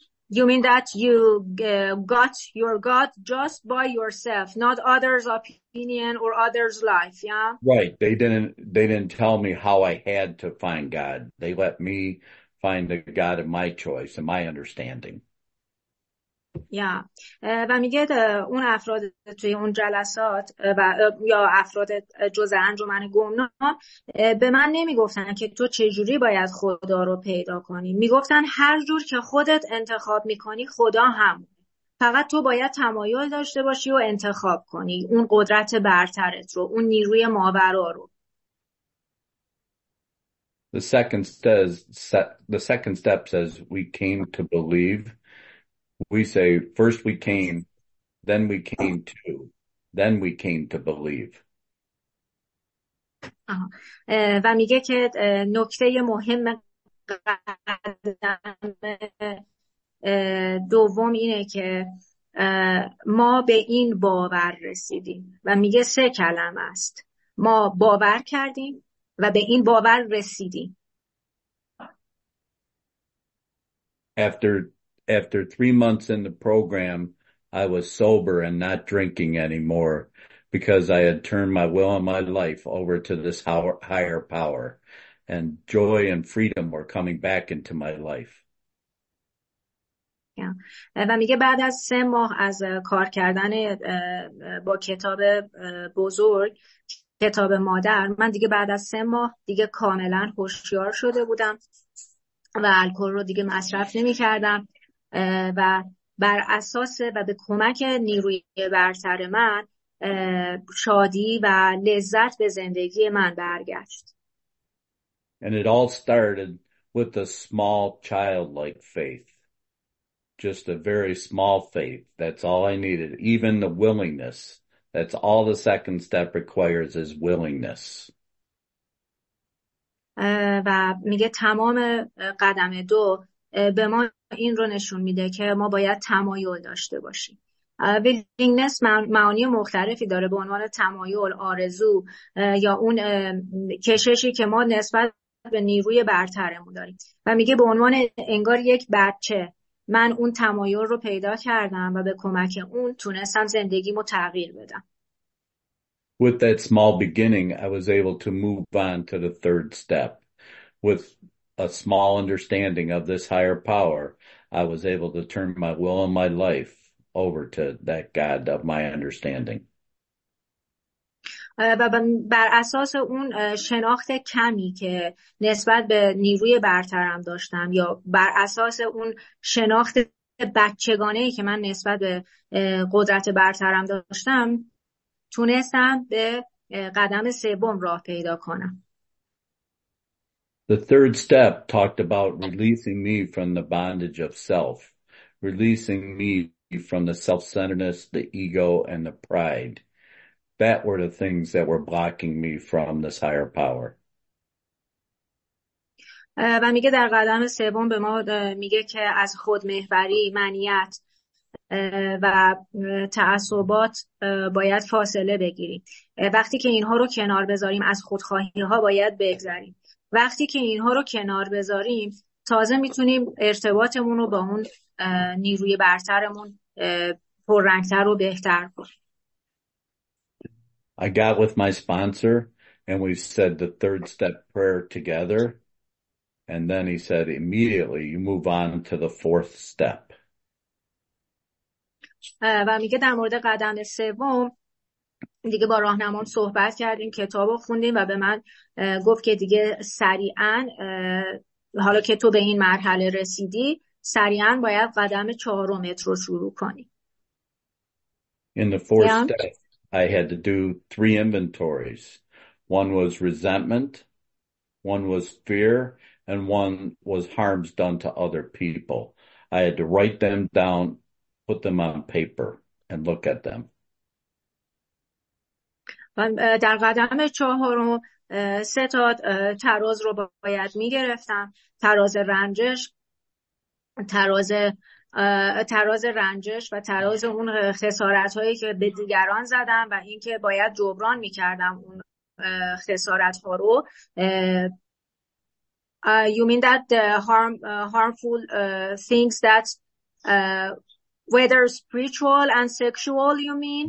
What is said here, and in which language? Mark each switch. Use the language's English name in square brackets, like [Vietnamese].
[English] You mean that you got your God just by yourself, not others' opinion or others' life, yeah? Right. They didn't tell me how I had to find God. They let me find the God of my choice and my understanding. Yeah. [Persian] و میگه اون افراد توی اون جلسات و یا افراد جزء انجمن گمنام به من نمیگفتن که تو چجوری باید خدا رو پیدا کنی. میگفتن هر جور که خودت انتخاب میکنی خدا هم. فقط تو باید تمایل داشته باشی و انتخاب کنی اون قدرت برترت رو، اون نیروی ماورا رو. [English] The second step says we came to believe. We say first we came, then we came to, then we came to believe. [Persian] و میگه که نکته مهم قدم دوم اینه که ما به این باور رسیدیم و میگه سه کلم است: ما باور کردیم و به این باور رسیدیم. [English] After 3 months in the program, I was sober and not drinking anymore because I had turned my will and my life over to this higher power, and joy and freedom were coming back into my life. [Persian] و میگه بعد از 3 ماه از کار کردن با کتاب بزرگ، کتاب مادر، من دیگه بعد از 3 ماه دیگه کاملا هوشیار شده بودم و الکل رو دیگه مصرف نمی کردم و بر اساس و به کمک نیروی برتر من شادی و لذت به زندگی من برگشت. [English] And it all started with a small childlike faith. Just a very small faith. That's all I needed. Even the willingness. That's all the second step requires is willingness. [Persian] و میگه تمام قدم دو به ما این رو نشون میده که ما باید تمایل داشته باشیم. willingness معانی مختلفی داره، به عنوان تمایل، آرزو یا اون کششی که ما نسبت به نیروی برترمون داریم. و میگه به عنوان انگار یک بچه من اون تمایل رو پیدا کردم و به کمک اون تونستم زندگیمو تغییر بدم. [English] With that small beginning, I was able to move on to the third step. With a small understanding of this higher power, I was able to turn my will and my life over to that God of my understanding. [Persian] بر اساس اون شناخت کمی که نسبت به نیروی برترم داشتم یا بر اساس اون شناخت بچگانه‌ای که من نسبت به قدرت برترم داشتم، تونستم به قدم سوم راه پیدا کنم. [English] The third step talked about releasing me from the bondage of self, releasing me from the self-centeredness, the ego, and the pride. That were the things that were blocking me from this higher power. [Persian] و میگه در قدم سوم به ما میگه که از خودمحوری، منیت و تعصبات باید فاصله بگیریم. وقتی که اینها رو کنار بذاریم از خودخواهی‌ها باید بگذاریم. وقتی که اینها رو کنار بذاریم تازه میتونیم ارتباطمون رو با اون نیروی برترمون پررنگتر و بهتر کنیم. [English] I got with my sponsor And we said the third step prayer together. And then he said, immediately you move on to the fourth step. [Persian] و میگه در مورد قدم سوم دیگه با راهنمان صحبت کردیم، کتاب رو خوندیم و به من گفت که دیگه سریعا حالا که تو به این مرحله رسیدی سریعا باید قدم چهارمت رو شروع کنی. [English] In the fourth step, I had to do three inventories. One was resentment, one was fear, and one was harms done to other people. I had to write them down, put them on paper, and look at them. [Persian] در قدم چهارم سه تا تراز رو باید میگرفتم، تراز رنجش و تراز اون خسارت هایی که به دیگران زدم و اینکه باید جبران میکردم اون خسارت ها رو. [English] You mean that the harmful things that whether spiritual and sexual, you mean?